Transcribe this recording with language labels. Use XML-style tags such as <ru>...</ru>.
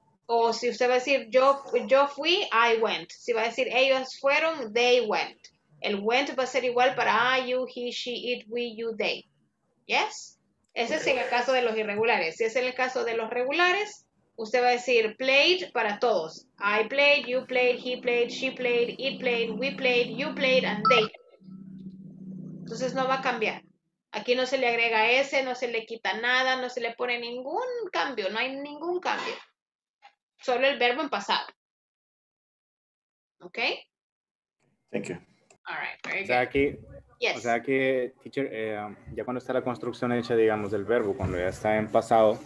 <es>O si usted va a decir, yo fui,</es> <en>I went.</en> <es>Si va a decir, ellos fueron,</es> <en>they went.</en> <es>El went va a ser igual para I, you, he, she, it, we, you, they. ¿Yes? Ese es en el caso de los irregulares. Si es en el caso de los regulares, usted va a decir, played para todos.</es> <en>I played, you played, he played, she played, it played, we played, you played, and they.</en> <es>Entonces no va a cambiar. Aquí no se le agrega S, no se le quita nada, no se le pone ningún cambio, no hay ningún cambio. Solo el verbo en pasado. ¿Ok?</es> <en>Thank you. All right, very good.</en> <es>O sea que, teacher, ya cuando está la construcción hecha, digamos, del verbo, cuando ya está en pasado,</es>